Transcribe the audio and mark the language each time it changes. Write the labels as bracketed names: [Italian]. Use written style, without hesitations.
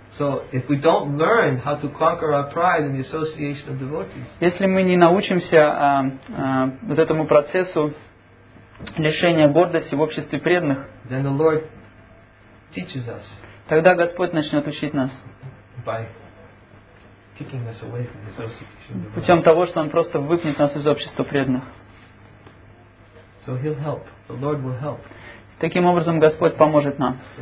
[English] So if we don't learn how to conquer our pride in the association of devotees, [Russian] если мы не научимся вот этому процессу лишения гордости в обществе преданных, [English] then the Lord teaches us. [Russian] Тогда Господь начнет учить нас. [English] By kicking us away from the association of devotees. [Russian] Путем того, что Он просто выпнет нас из общества преданных. [English] So He'll help. The Lord will help. [Russian] Таким образом, Господь поможет нам.